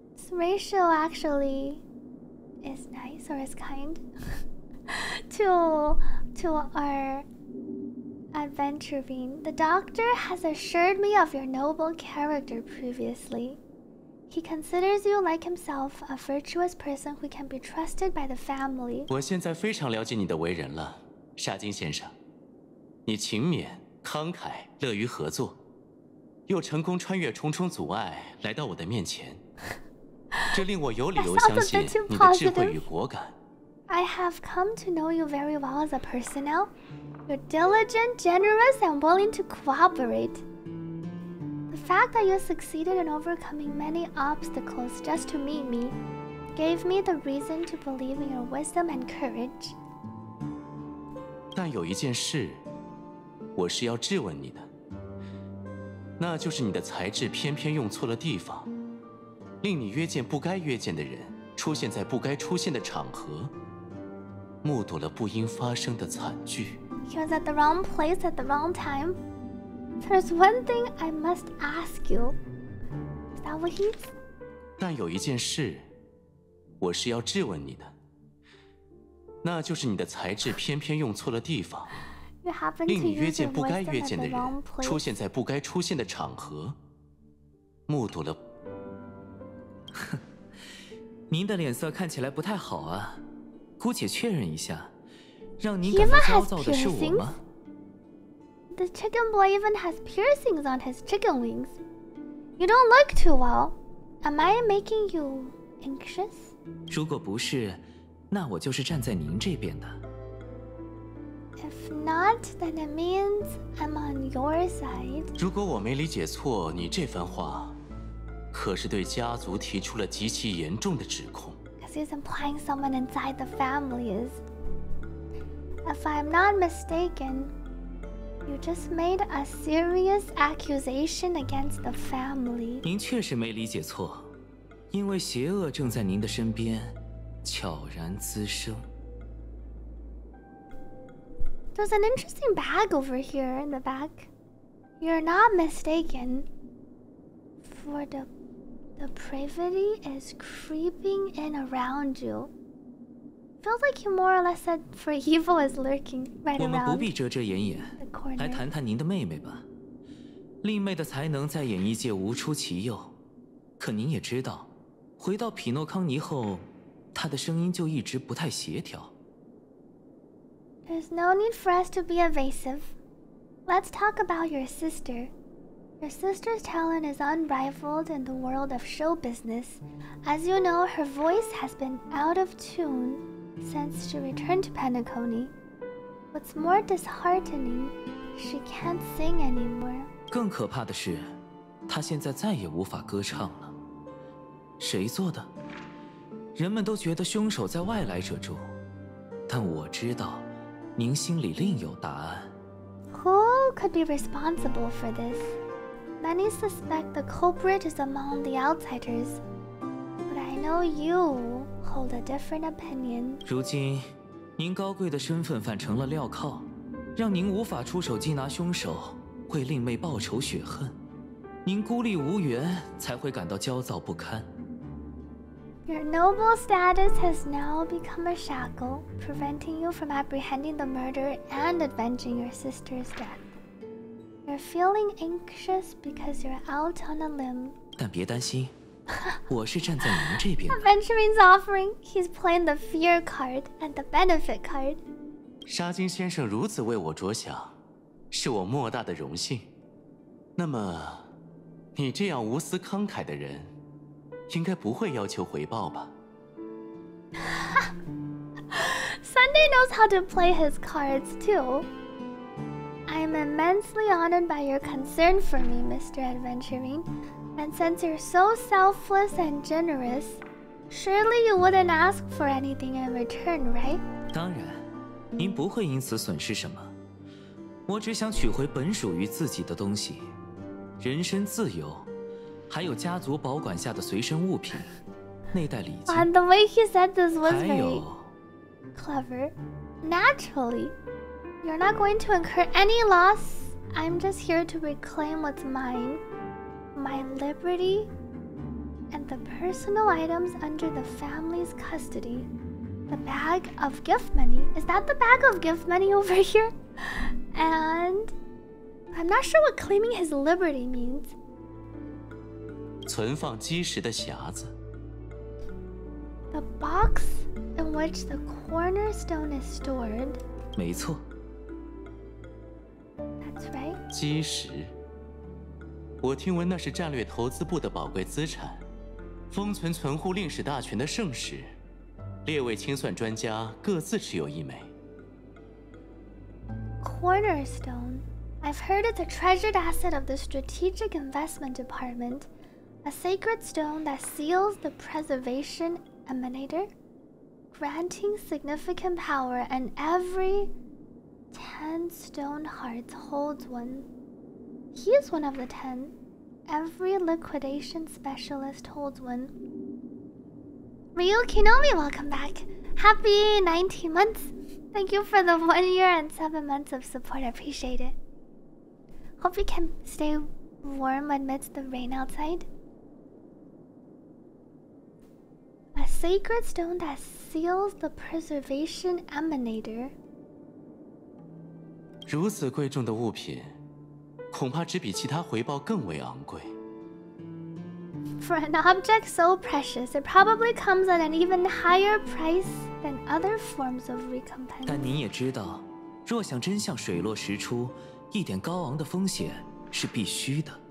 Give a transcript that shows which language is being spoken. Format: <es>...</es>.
<en>Rachel actually is nice or is kind to our... Aventurine, the doctor has assured me of your noble character previously. He considers you like himself, a virtuous person who can be trusted by the family.</en> <zh>我现在非常了解你的为人了，沙金先生。你勤勉、慷慨、乐于合作，又成功穿越重重阻碍来到我的面前。这令我有理由相信你的智慧与果敢。</zh> <en>I have come to know you very well as a personnel. You're diligent, generous, and willing to cooperate. The fact that you succeeded in overcoming many obstacles just to meet me gave me the reason to believe in your wisdom and courage.</en> <zh>但有一件事，我是要质问你的，那就是你的才智偏偏用错了地方，令你约见不该约见的人，出现在不该出现的场合。目睹了不应发生的惨剧。</zh> <en>He was at the wrong place at the wrong time. There's one thing I must ask you. Is that what he is?</en> <zh>但有一件事，我是要质问你的，那就是你的才智偏偏用错了地方，令你约见不该约见的人，出现在不该出现的场合，目睹了。您的脸色看起来不太好啊。姑且确认一下，让您感到焦躁的是我吗</zh> <en>？The chicken boy even has piercings on his chicken wings. You don't look too well. Am I making you anxious?</en> <zh>如果不是，那我就是站在您这边的。</zh> <en>If not, then it means I'm on your side.</en> <zh>如果我没理解错，你这番话，可是对家族提出了极其严重的指控。</zh> <en>He's implying someone inside the family is. If I'm not mistaken, you just made a serious accusation against the family.</en> <zh>您确实没理解错，因为邪恶正在您的身边，悄然滋生。</zh> <en>There's an interesting bag over here in the back. You're not mistaken. For the privity is creeping in around you. Feels like you more or less said for evil is lurking right around the corner.</en> <zh>我们不必遮遮掩掩，来谈谈您的妹妹吧。令妹的才能在演艺界无出其右，可您也知道，回到匹诺康尼后，她的声音就一直不太协调。</zh> <en>There's no need for us to be evasive. Let's talk about your sister. Your sister's talent is unrivaled in the world of show business. As you know, her voice has been out of tune since she returned to Penacony. What's more disheartening, she can't sing anymore.</en> <zh>更可怕的是，她现在再也无法歌唱了。谁做的？人们都觉得凶手在外来者中，但我知道，您心里另有答案。</zh> <en>Who could be responsible for this? Many suspect the culprit is among the outsiders, but I know you hold a different opinion.</en> <zh>如今，您高贵的身份反成了镣铐，让您无法出手缉拿凶手，为令妹报仇雪恨。您孤立无援，才会感到焦躁不堪。</zh> <en>Your noble status has now become a shackle, preventing you from apprehending the murder and avenging your sister's death. You're feeling anxious because you're out on a limb.</en> <zh>但别担心，我是站在您这边。</zh> <en>Aventurine's offering. He's playing the fear card and the benefit card.</en> <zh>沙金先生如此为我着想，是我莫大的荣幸。那么，你这样无私慷慨的人，应该不会要求回报吧？</zh> <en>Sunday knows how to play his cards too. I'm immensely honored by your concern for me, Mr. Adventurine. And since you're so selfless and generous, surely you wouldn't ask for anything in return, right?</en> <zh>当然，您不会因此损失什么。我只想取回本属于自己的东西，人身自由，还有家族保管下的随身物品，那袋礼金。</zh> <en>And the way he said this was very clever. Naturally. You're not going to incur any loss. I'm just here to reclaim what's mine, my liberty, and the personal items under the family's custody. The bag of gift money. Is that the bag of gift money over here? And I'm not sure what claiming his liberty means.</en> <zh>存放基石的匣子。</zh> <en>The box in which the cornerstone is stored.</en> <zh>没错。</zh> <en>That's right.</en> <zh>基石。我听闻那是战略投资部的宝贵资产，封存存户令史大全的盛世，列位清算专家各自持有一枚。</zh> <en>Cornerstone. I've heard it's a treasured asset of the Strategic Investment Department, a sacred stone that seals the preservation emanator, granting significant power, and every 10 stone hearts holds one. He is one of the 10. Every liquidation specialist holds one. Ryu Kinomi, welcome back. Happy 19 months. Thank you for the 1 year and 7 months of support. I appreciate it. Hope you can stay warm amidst the rain outside. A sacred stone that seals the preservation emanator.</en> <zh>如此贵重的物品恐怕只比其他回报更为昂贵。</zh> <en>For an object so precious, it probably comes at an even higher price than other forms of recompense.</en> <zh>但您也知道，若想真相水落石出，一点高昂的风险是必须的。</zh>